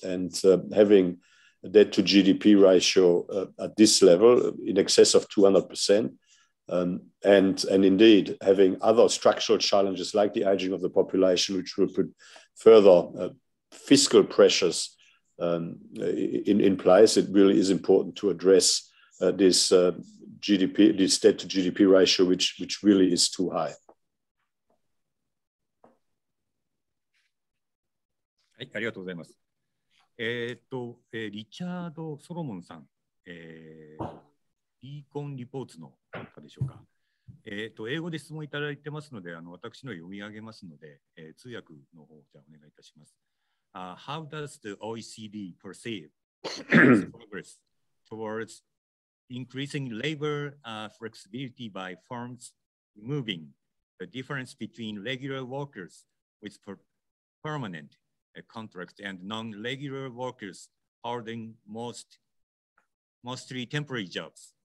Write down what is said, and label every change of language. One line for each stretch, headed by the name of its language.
English: And having a debt to GDP ratio at this level in excess of 200%, and indeed having other structural challenges like the aging of the population, which will put further fiscal pressures in place, it really is important to address this debt to GDP ratio, which really is too high.
Japanese: はい、ありがとうございます。リチャード・ソロモンさん、ビーコンリポーツの方でしょうか。英語で質問いただいてますので、私の読み上げますので、通訳の方じゃお願いいたします。
English: How does the OECD perceive progress towards increasing labor flexibility by firms removing the difference between regular workers with permanent contracts and non-regular workers holding mostly temporary jobs?